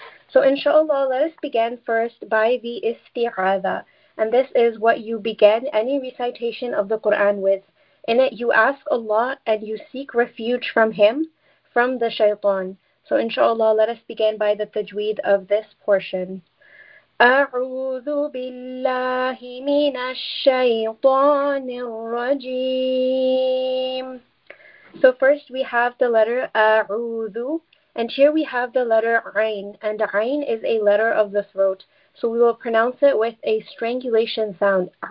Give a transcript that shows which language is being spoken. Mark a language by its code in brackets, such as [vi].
[en] So inshallah, let us begin first by the isti'adha. And this is what you begin any recitation of the Qur'an with. In it, you ask Allah and you seek refuge from Him, from the shaytan. So inshallah, let us begin by the tajweed of this portion. [ar] أعوذ بالله من الشيطان الرجيم. [en] So first we have the letter أعوذ, and here we have the letter عين, and عين is a letter of the throat. So we will pronounce it with a strangulation sound.